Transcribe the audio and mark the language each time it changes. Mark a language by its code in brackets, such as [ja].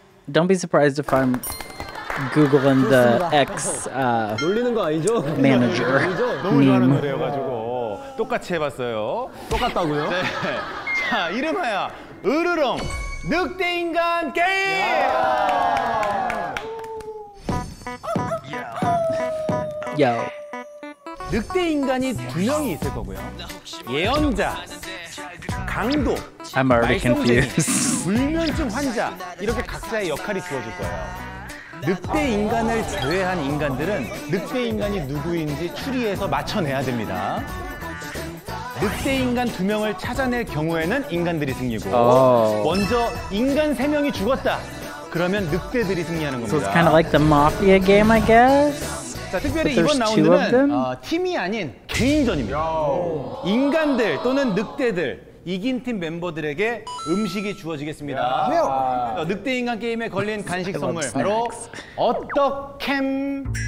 [en] Don't be surprised if I'm Googling the ex manager. [ko] 너무 잘하는 노래여가지고 똑같이 해봤어요. 똑같다고요? 네. 자 이름하여 으르렁 늑대인간 게임. [en] Yo. [ko] 늑대 인간이 두 명이 있을 거고요. 예언자, 강도, [en] I'm already [ko] 말썽쟁이, [en] confused. [ko] 불면증 환자 이렇게 각자의 역할이 주어질 거예요. 늑대 인간을 제외한 인간들은 늑대 인간이 누구인지 추리해서 맞춰내야 됩니다. 늑대 인간 두 명을 찾아낼 경우에는 인간들이 승리고 먼저 인간 세 명이 죽었다 그러면 늑대들이 승리하는 겁니다. [en] So it's kind of like the mafia game, I guess. [ko] 자, 특별히 이번 라운드는 팀이 아닌 개인전입니다. 인간들 또는 늑대들 이긴 팀 멤버들에게 음식이 주어지겠습니다. 늑대 인간 게임에 걸린 간식 선물 바로 어떡햄